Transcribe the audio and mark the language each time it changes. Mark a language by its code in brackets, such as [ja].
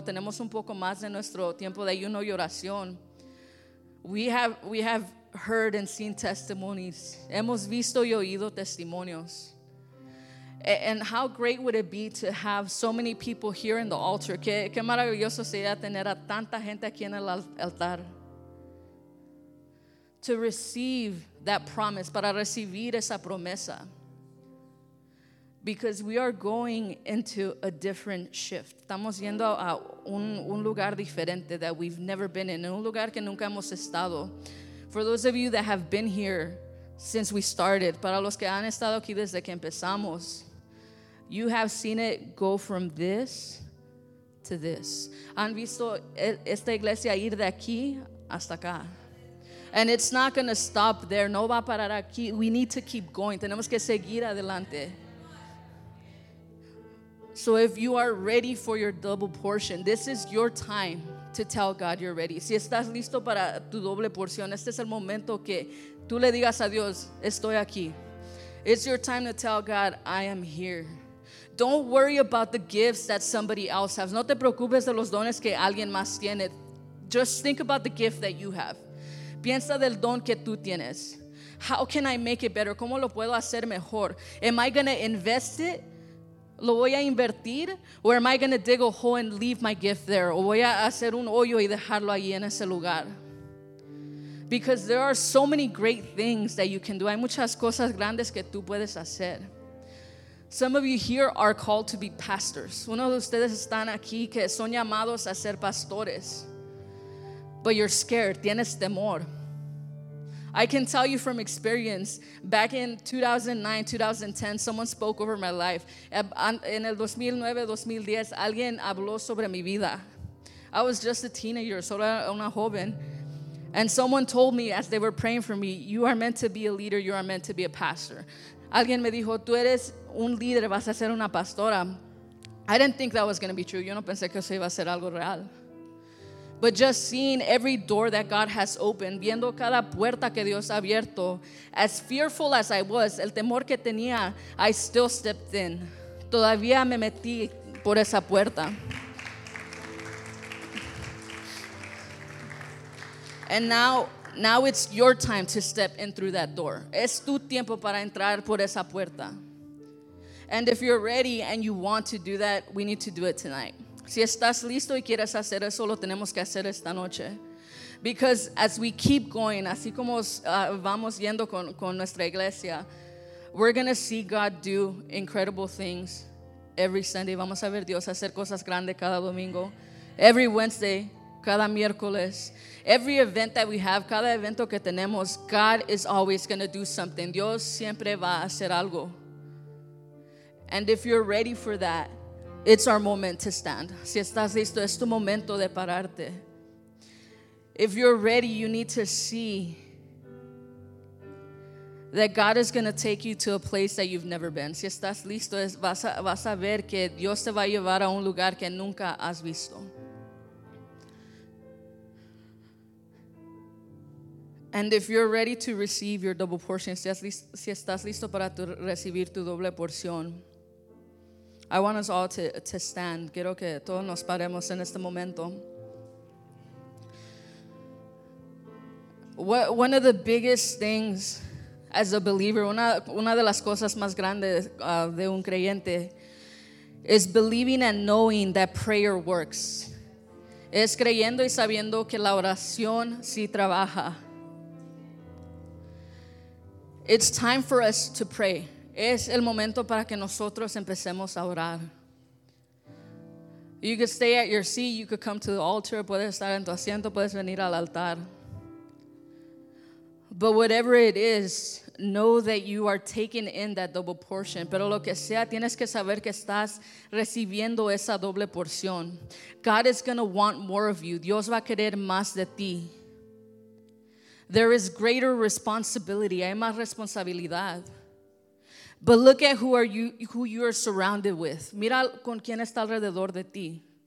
[es] Tenemos un poco más de nuestro tiempo de ayuno y oración. [en] We have heard and seen testimonies. [es] Hemos visto y oído testimonios. [en] And how great would it be to have so many people here in the altar? [es] Qué maravilloso sería tener a tanta gente aquí en el altar. [en] To receive that promise, [es] para recibir esa promesa. [en] Because we are going into a different shift. [es] Estamos yendo a un lugar diferente [en] that we've never been in. [es] En un lugar que nunca hemos estado. [en] For those of you that have been here since we started, [es] para los que han estado aquí desde que empezamos, [en] you have seen it go from this to this. [es] Han visto esta iglesia ir de aquí hasta acá. [en] And it's not going to stop there. [es] No va a parar aquí. [en] We need to keep going. [es] Tenemos que seguir adelante. [en] So if you are ready for your double portion, this is your time to tell God you're ready. [es] Si estás listo para tu doble porción, este es el momento que tú le digas a Dios, estoy aquí. [en] It's your time to tell God, I am here. Don't worry about the gifts that somebody else has. [es] No te preocupes de los dones que alguien más tiene. [en] Just think about the gift that you have. [es] Piensa del don que tú tienes. [en] How can I make it better? [es] ¿Cómo lo puedo hacer mejor? [en] Am I going to invest it? [es] ¿Lo voy a invertir? [en] Or am I going to dig a hole and leave my gift there? [es] ¿O voy a hacer un hoyo y dejarlo ahí en ese lugar? [en] Because there are so many great things that you can do. [es] Hay muchas cosas grandes que tú puedes hacer. [en] Some of you here are called to be pastors. [es] Uno de ustedes están aquí que son llamados a ser pastores. [en] But you're scared. [es] Tienes temor. [en] I can tell you from experience, back in 2009, 2010, someone spoke over my life. [es] En el 2009, 2010, alguien habló sobre mi vida. [en] I was just a teenager, [es] solo una joven. [en] And someone told me as they were praying for me, you are meant to be a leader, you are meant to be a pastor. [es] Alguien me dijo, tú eres un líder, vas a ser una pastora. [en] I didn't think that was going to be true. [es] Yo no pensé que eso iba a ser algo real. [en] But just seeing every door that God has opened, [es] viendo cada puerta que Dios ha abierto, [en] as fearful as I was, [es] el temor que tenía, [en] I still stepped in. [es] Todavía me metí por esa puerta. [en] And now it's your time to step in through that door. [es] Es tu tiempo para entrar por esa puerta. [en] And if you're ready and you want to do that, we need to do it tonight. [es] Si estás listo y quieres hacer eso, lo tenemos que hacer esta noche. [en] Because as we keep going, [es] así como vamos yendo con nuestra iglesia, [en] we're going to see God do incredible things every Sunday. [es] Vamos a ver Dios hacer cosas grandes cada domingo. [en] Every Wednesday, [es] cada miércoles. [en] Every event that we have, [es] cada evento que tenemos, [en] God is always going to do something. [es] Dios siempre va a hacer algo. [en] And if you're ready for that, it's our moment to stand. [es] Si estás listo, es tu momento de pararte. [en] If you're ready, you need to see that God is going to take you to a place that you've never been. [es] Si estás listo, vas a ver que Dios te va a llevar a un lugar que nunca has visto. [en] And if you're ready to receive your double portion, [es] si estás listo para recibir tu doble porción, [en] I want us all to stand. [es] Quiero que todos nos paremos en este momento. [en] One of the biggest things as a believer, [es] una de las cosas más grandes de un creyente, [en] is believing and knowing that prayer works. [es] Es creyendo y sabiendo que la oración sí trabaja. [en] It's time for us to pray. [es] Es el momento para que nosotros empecemos a orar. [en] You could stay at your seat, you could come to the altar, [es] puedes estar en tu asiento, puedes venir al altar. [en] But whatever it is, know that you are taking in that double portion. [es] Pero lo que sea, tienes que saber que estás recibiendo esa doble porción. [en] God is going to want more of you. [es] Dios va a querer más de ti. [en] There is greater responsibility. [es] Hay más responsabilidad. [en] But look at who you are surrounded with. [es] Mira con quién está alrededor de ti.